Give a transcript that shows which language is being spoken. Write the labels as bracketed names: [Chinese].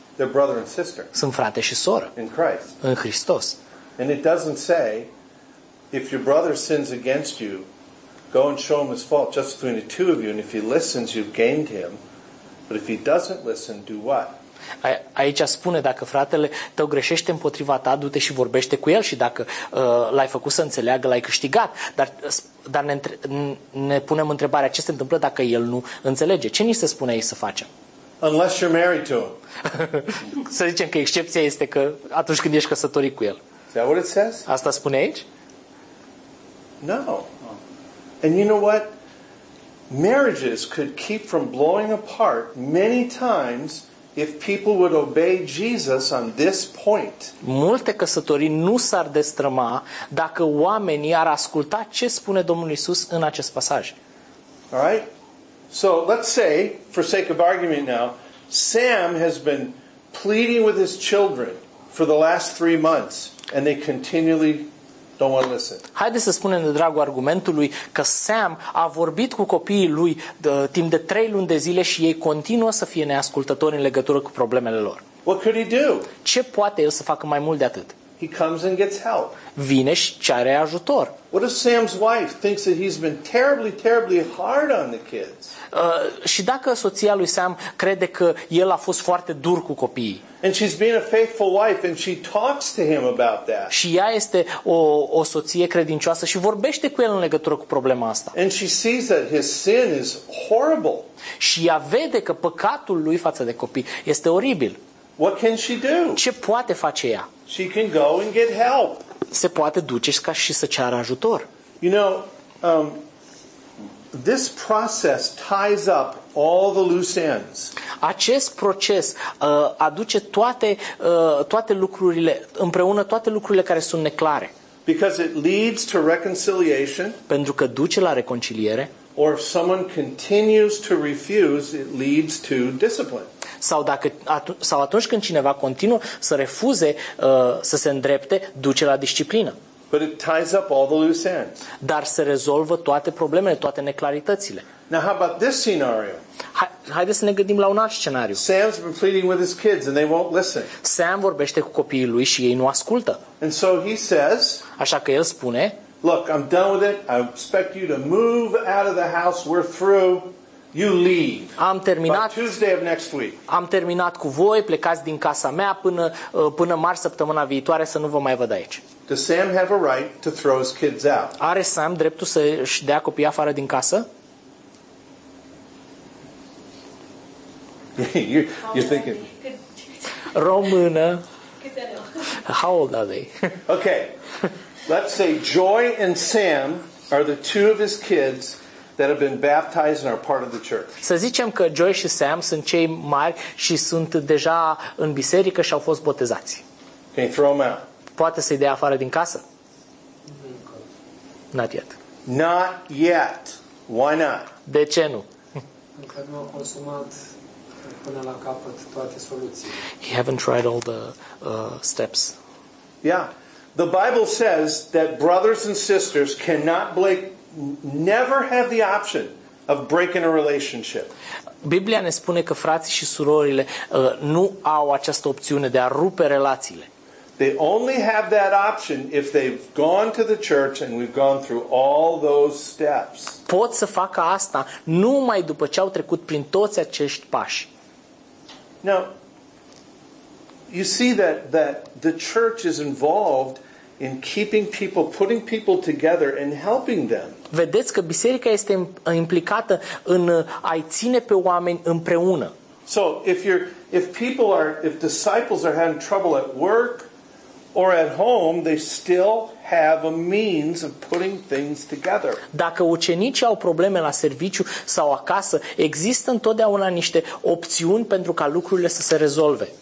[English] They're brother and sister. [Romanian] Sunt frate și soră. [English] In Christ. [Romanian] În Hristos. [English] And it doesn't say if your brother sins against you, go and show him his fault just between the two of you, and if he listens, you've gained him. But if he doesn't listen, do what? [Romanian] Aici spune, dacă fratele tău greșește împotriva ta, du-te și vorbește cu el, și dacă l-ai făcut să înțeleagă, l-ai câștigat. Dar ne punem întrebarea, ce se întâmplă dacă el nu înțelege? Ce ni se spune aici să facem? [English] Unless you're married to him. [Romanian] Să zicem că excepția este că atunci când ești căsătorit cu el. [English] Is that what it says? [Romanian] Asta spune aici? [English] No. And you know what? Marriages could keep from blowing apart many times if people would obey Jesus on this point. [Romanian] Multe căsătorii nu s-ar destrăma dacă oamenii ar asculta ce spune Domnul Iisus în acest pasaj. [English] All right? So, let's say, for sake of argument now, Sam has been pleading with his children for the last 3 months and they continually don't want to listen. [Romanian] Haideți să spunem de dragul argumentului că Sam a vorbit cu copiii lui timp de 3 luni de zile și ei continuă să fie neascultători în legătură cu problemele lor. [English] What could he do? [Romanian] Ce poate el să facă mai mult de atât? [English] He comes and gets help. [Romanian] Vine și cere ajutor. [English] What if Sam's wife thinks that he's been terribly, terribly hard on the kids? [Romanian] Și dacă soția lui Sam crede că el a fost foarte dur cu copiii? [English] And she's been a faithful wife and she talks to him about that. [Romanian] Și ea este o soție credincioasă și vorbește cu el în legătură cu problema asta. [English] And she sees that his sin is horrible. [Romanian] Și ea vede că păcatul lui față de copii este oribil. [English] What can she do? [Romanian] Ce poate face ea? [English] She can go and get help. [Romanian] Se poate duce ca și să ceară ajutor. [English] You know, this process ties up all the loose ends. [Romanian] Acest proces aduce toate lucrurile împreună, toate lucrurile care sunt neclare. [English] Because it leads to reconciliation. [Romanian] Pentru că duce la reconciliere. [English] Or if someone continues to refuse, it leads to discipline. [Romanian] Sau atunci când cineva continuă să refuze să se îndrepte, duce la disciplină. [English] But it ties up all the loose ends. [Romanian] Dar se rezolvă toate problemele, toate neclaritățile. [English] Now how about this scenario? [Romanian] Haideți să ne gândim la un alt scenariu. [English] Sam's been pleading with his kids and they won't listen. [Romanian] Sam vorbește cu copiii lui și ei nu ascultă. [English] And so he says, [Romanian] așa că el spune, [English] look, I'm done with it. I expect you to move out of the house. We're through. You leave. [Romanian] Am terminat. [English] By Tuesday of next week. [Romanian] Am terminat cu voi. Plecați din casa mea până marți săptămâna viitoare să nu vă mai văd aici. [English] Does Sam have a right to throw his kids out? [Romanian] Are Sam dreptul să își dea copiii afară din casă? [English] You're thinking. Română. How old are they? Okay. Let's say Joy and Sam are the two of his kids that have been baptized and are part of the church. [Romanian] Să zicem că Joy și Sam sunt cei mari și sunt deja în biserică și au fost botezați. [English] Can you throw them out? [Romanian] Poate să-i dea afară din casă? [English] Not yet. Not yet. Why not? [Romanian] De ce nu? Încă nu au consumat până la capăt toate soluțiile. [English] He haven't tried all the steps. Yeah. The Bible says that brothers and sisters cannot break, never have the option of breaking a relationship. [Romanian] Biblia ne spune că frații și surorile nu au această opțiune de a rupe relațiile. [English] They only have that option if they've gone to the church and we've gone through all those steps. [Romanian] Pot să facă asta numai după ce au trecut prin toți acești pași. [English] Now, you see that the church is involved in keeping people, putting people together and helping them. [Romanian] Vedeți că biserica este implicată în a-i ține pe oameni împreună. [English] So, if disciples are having trouble at work Or at home, they still have a means of putting things together. [Romanian] Dacă ucenicii au probleme la serviciu sau acasă, există întotdeauna niște opțiuni pentru ca lucrurile să se rezolve.